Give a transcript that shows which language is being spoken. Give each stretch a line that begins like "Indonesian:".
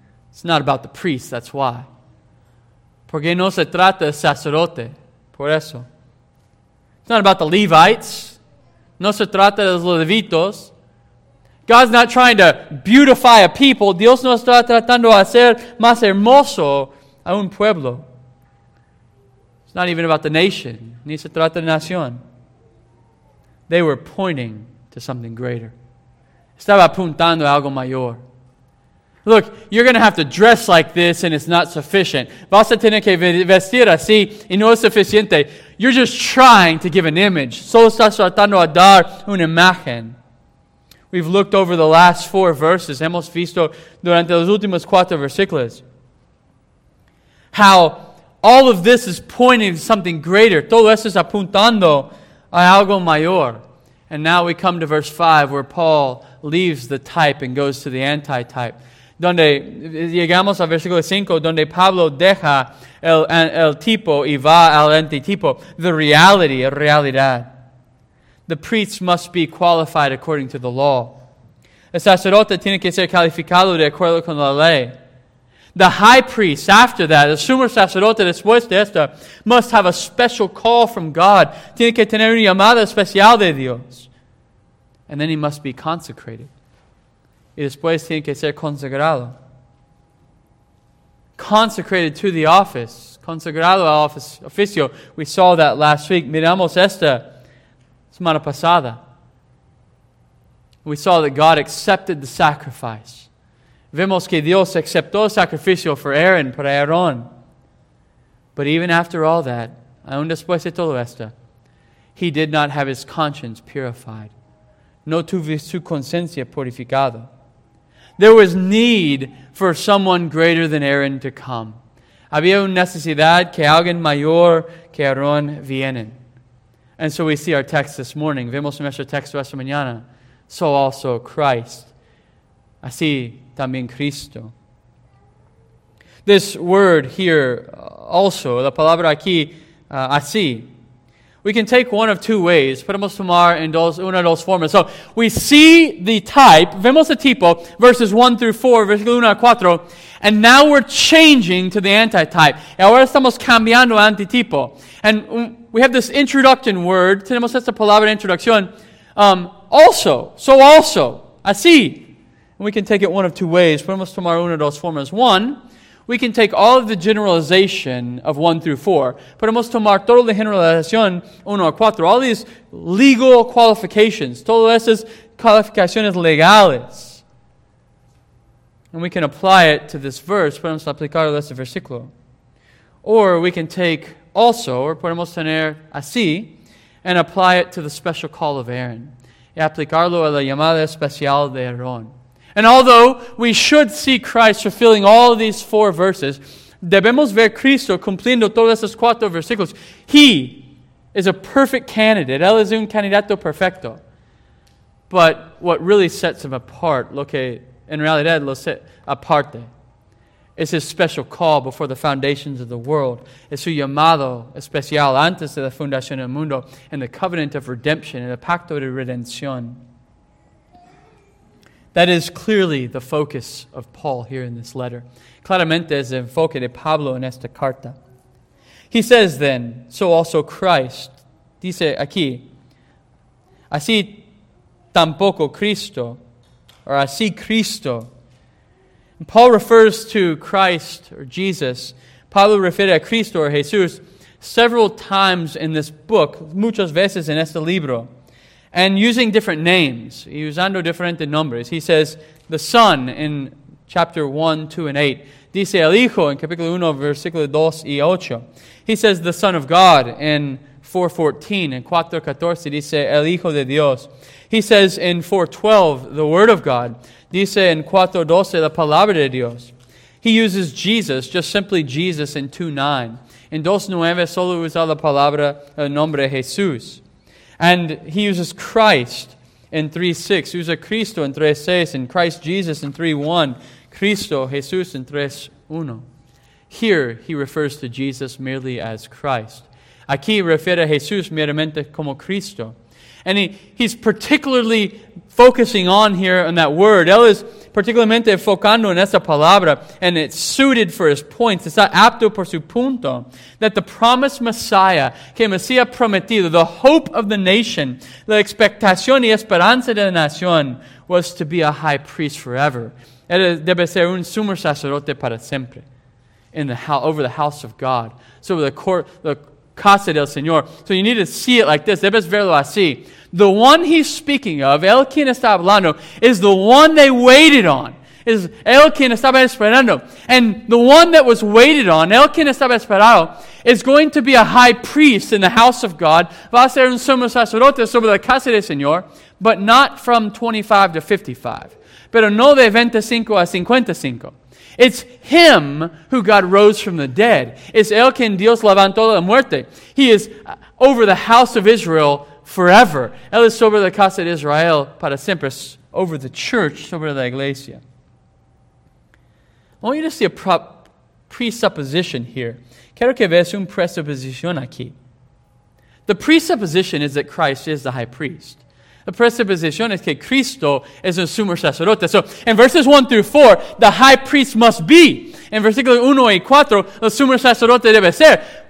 English: It's not about the priest, that's why.
Spanish: Porque no se trata de sacerdote, por eso.
English: It's not about the Levites.
Spanish: No se trata de los levitos.
English: God's not trying to beautify a people.
Spanish: Dios no está tratando de hacer más hermoso a un pueblo.
English: It's not even about the nation.
Spanish: Ni se trata de nación.
English: They were pointing to something greater.
Spanish: Estaba apuntando a algo mayor.
English: Look, you're going to have to dress like this and it's not sufficient.
Spanish: Vas a tener que vestir así y no es suficiente.
English: You're just trying to give an image.
Spanish: Solo estás tratando de dar una imagen.
English: We've looked over the last four verses.
Spanish: Hemos visto durante los últimos cuatro versículos.
English: How all of this is pointing to something greater.
Spanish: Todo esto está apuntando a algo mayor.
English: And now we come to verse 5 where Paul leaves the type and goes to the anti-type.
Spanish: Donde llegamos al versículo 5, donde Pablo deja el tipo y va al antitipo.
English: The reality,
Spanish: a realidad.
English: The priest must be qualified according to the law.
Spanish: El sacerdote tiene que ser calificado de acuerdo con la ley.
English: The high priest, after that,
Spanish: el sumo sacerdote después de esto,
English: must have a special call from God.
Spanish: Tiene que tener una llamada especial de Dios.
English: And then he must be consecrated.
Spanish: Y después tiene que ser consagrado.
English: Consecrated to the office. Consagrado al oficio. We saw that last week.
Spanish: Miramos esta semana pasada.
English: We saw that God accepted the sacrifice.
Spanish: Vemos que Dios aceptó el sacrificio
English: for Aaron,
Spanish: para Aarón.
English: But even after all that,
Spanish: aún después de todo esto,
English: he did not have his conscience purified.
Spanish: No tuvo su conciencia purificada.
English: There was need for someone greater than Aaron to come.
Spanish: Había una necesidad que alguien mayor que Aarón viene.
English: And so we see our text this morning.
Spanish: Vemos nuestro texto esta mañana.
English: So also Christ.
Spanish: Así también Cristo.
English: This word here also,
Spanish: la palabra aquí, así.
English: We can take one of two ways.
Spanish: Podemos tomar en una de dos formas.
English: So, we see the type,
Spanish: vemos el tipo,
English: verses 1 through 4,
Spanish: versículo 1 a 4,
English: and now we're changing to the anti-type.
Spanish: Ahora estamos cambiando a antitipo.
English: And we have this introduction word,
Spanish: tenemos esta palabra introducción,
English: also, so also,
Spanish: así.
English: And we can take it one of two ways.
Spanish: Podemos tomar una de dos formas.
English: One, we can take all of the generalization of 1 through 4.
Spanish: Podemos tomar toda la generalización 1 a 4.
English: All these legal qualifications.
Spanish: Todas esas calificaciones legales.
English: And we can apply it to this verse.
Spanish: Podemos aplicarlo a este versículo.
English: Or we can take also, or
Spanish: podemos tener así,
English: and apply it to the special call of Aaron.
Spanish: Y aplicarlo a la llamada especial de Aarón.
English: And although we should see Christ fulfilling all of these four verses,
Spanish: debemos ver Cristo cumpliendo todos esos cuatro versículos.
English: He is a perfect candidate.
Spanish: Él es un candidato perfecto.
English: But what really sets him apart,
Spanish: lo que en realidad lo set aparte,
English: is his special call before the foundations of the world.
Spanish: Es su llamado especial antes de la fundación del mundo
English: and the covenant of redemption and the
Spanish: pacto de redención.
English: That is clearly the focus of Paul here in this letter.
Spanish: Claramente es el enfoque de Pablo en esta carta.
English: He says then, so also Christ,
Spanish: dice aquí, así tampoco Cristo, or así Cristo.
English: And Paul refers to Christ or Jesus,
Spanish: Pablo refiere a Cristo or Jesús,
English: several times in this book,
Spanish: muchas veces en este libro.
English: And using different names,
Spanish: usando diferentes nombres.
English: He says, the Son in chapter 1, 2, and 8.
Spanish: Dice el Hijo in capítulo 1, versículo 2 y 8.
English: He says, the Son of God in
Spanish: 4:14 and 4:14 dice el Hijo de Dios.
English: He says in 4:12 the Word of God.
Spanish: Dice en 4:12 la Palabra de Dios.
English: He uses Jesus, just simply Jesus in 2:9.
Spanish: En 2:9 solo usa la palabra el nombre Jesús.
English: And he uses Christ in 3:6.
Spanish: Usa Cristo in 3:6
English: and Christ Jesus in 3:1.
Spanish: Cristo Jesús in 3:1.
English: Here he refers to Jesus merely as Christ.
Spanish: Aquí refiere a Jesús meramente como Cristo.
English: And he's particularly focusing on here on that word.
Spanish: Él es particularmente enfocando en esa palabra.
English: And it's suited for his points. Está apto por su punto. That the promised Messiah,
Spanish: que Mesías prometido,
English: the hope of the nation,
Spanish: la expectación y esperanza de la nación,
English: was to be a high priest forever.
Spanish: Él debe ser un sumo sacerdote para siempre.
English: Over the house of God. So the court, the casa del Señor. So you need to see it like this.
Spanish: Debes verlo así.
English: The one he's speaking of,
Spanish: el quien está hablando,
English: is the one they waited on.
Spanish: Is el quien estaba esperando.
English: And the one that was waited on,
Spanish: el quien estaba esperado,
English: is going to be a high priest in the house of God.
Spanish: Va a ser un sumo sacerdote sobre la casa del Señor. But not from 25 to 55. Pero no de 25 a 55.
English: It's him who God rose from the dead.
Spanish: Es el quien Dios levantó de la muerte.
English: He is over the house of Israel forever.
Spanish: Él es sobre la casa de Israel para siempre.
English: Over the church,
Spanish: sobre la iglesia.
English: I want you to see a presupposition here.
Spanish: Quiero que veas un presupposición aquí.
English: The presupposition is that Christ is the high priest. The presupposition is that Cristo is a sumo sacerdote. So, in verses 1 through 4, the high priest must be.
Spanish: In versículos 1 y 4, el sumo sacerdote debe ser.